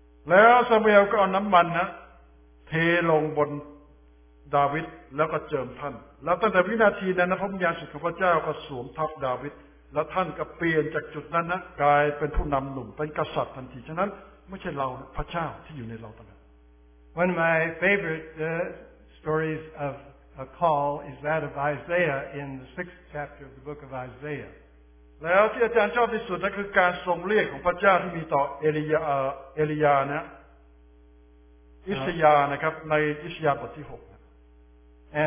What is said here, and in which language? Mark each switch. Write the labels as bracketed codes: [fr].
[th] แล้วซามูเอลก็เอาน้ำมันนะเทลงบนดาวิดแล้วก็เจิมท่านแล้วตั้งแต่วินาทีนั้นพระวิญญาณสุดของพระเจ้าก็สวมทับดาวิดแล้วท่านก็เปลี่ยนจากจุดนั้นนะกลายเป็นผู้นำหนุ่มเป็นกษัตริย์ทันทีฉะนั้นไม่ใช่เราพระเจ้าที่อยู่ในเราตอนนั้น [en] One of my favorite stories of a call is that of Isaiah in the 6th chapter of the book of Isaiah [th] แล้วที่อาจารย์ชอบที่สุดนั่นคือการทรงเรียกของพระเจ้าที่มีต่อเอลียานะอิสยานะครับในอิสยาบทที่6